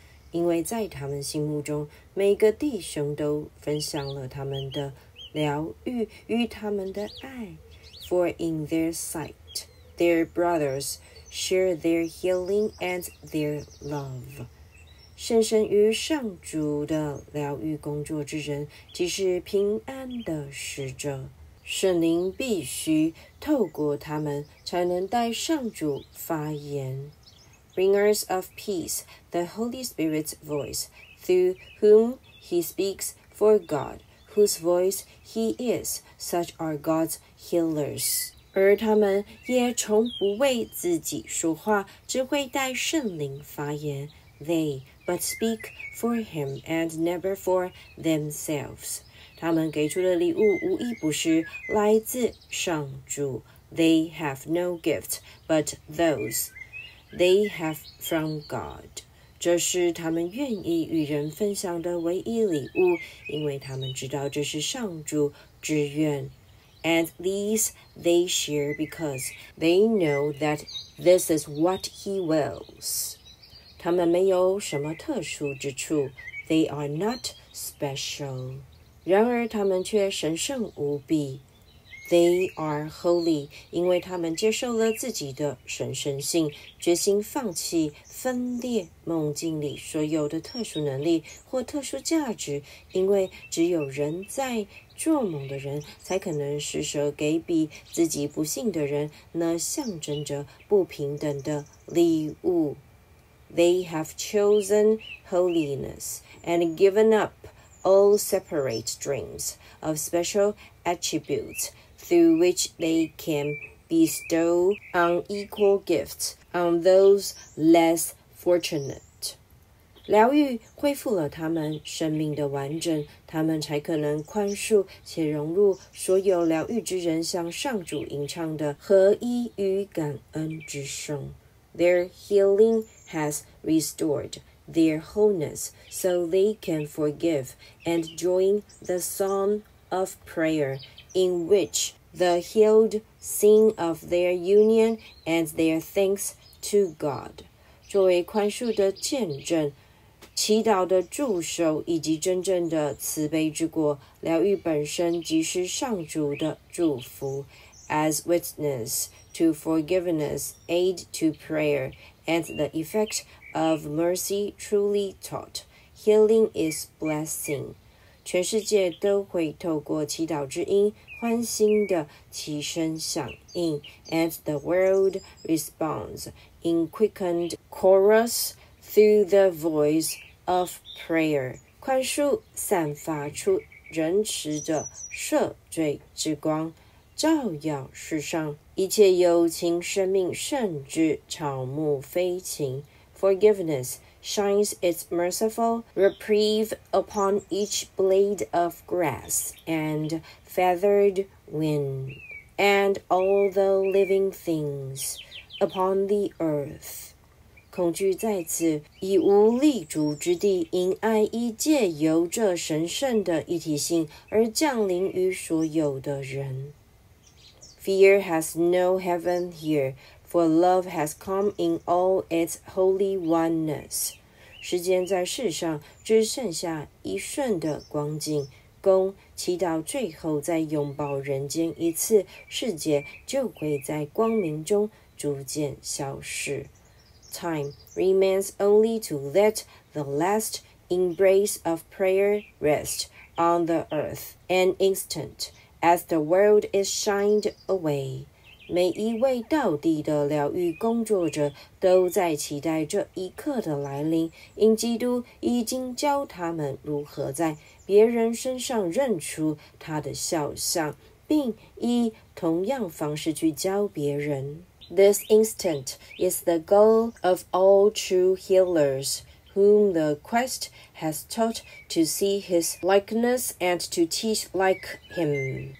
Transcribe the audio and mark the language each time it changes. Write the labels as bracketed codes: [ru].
[zh] 因为在他们心目中，每个弟兄都分享了他们的疗愈与他们的爱。 [en] For in their sight, their brothers share their healing and their love。 [zh] 深深于上主的疗愈工作之人，即是平安的使者。圣灵必须透过他们才能带上主发言。 [en] Bringers of peace, the Holy Spirit's voice, through whom he speaks for God, whose voice he is, such are God's healers. [zh] 而他们也从不为自己说话，只会带圣灵发言。 [en] They, but speak for him and never for themselves. [zh] 他们给出的礼物无一不是来自上主。 [en] They have no gift but those they have from God. [zh] 这是他们愿意与人分享的唯一礼物，因为他们知道这是上主之愿。 [en] And these they share because they know that this is what he wills. [zh] 他们没有什么特殊之处。 [en] They are not special. [zh] 然而他们却神圣无比。 [en] They are holy [zh] 因为他们接受了自己的神圣性，决心放弃分裂梦境里所有的特殊能力或特殊价值，因为只有人在做梦的人才可能施舍给比自己不幸的人那象征着不平等的礼物。 [en] They have chosen holiness and given upall separate dreams of special attributes through which they can bestow unequal gifts on those less fortunate. [zh] 疗愈恢复了他们生命的完整，他们才可能宽恕且融入所有疗愈之人向上主吟唱的合一与感恩之声。 [en] Their healing has restoredTheir wholeness, so they can forgive and join the song of prayer in which the healed sing of their union and their thanks to God. [zh] 作为宽恕的见证，祈祷的助手以及真正的慈悲之国，疗愈本身即是上主的祝福。 [en] As witness to forgiveness, aid to prayer, and the effect of mercy truly taught, healing is blessing. [zh] 全世界都会透过祈祷之音欢欣的齐声响应， [en] and the world responds in quickened chorus through the voice of prayer. [zh] 宽恕散发出仁慈的赦罪之光，照耀世上一切有情生命，甚至草木飞禽。 [en] Forgiveness shines its merciful reprieve upon each blade of grass and feathered wing, and all the living things upon the earth. [zh] 恐惧在此以无立足之地，因爱意借由这神圣的一体性而降临于所有的人。 [en] Fear has no heaven here. For love has come in all its holy oneness. [zh] 时间在世上只剩下一瞬的光景，公祈祷最后再拥抱人间一次，世界就会在光明中逐渐消失。 [en] Time remains only to let the last embrace of prayer rest on the earth an instant as the world is shined away. [zh] 每一位到底的疗愈工作者都在期待这一刻的来临，因基督已经教他们如何在别人身上认出他的肖像，并以同样方式去教别人。 [en] This instant is the goal of all true healers, whom the quest has taught to see his likeness and to teach like him.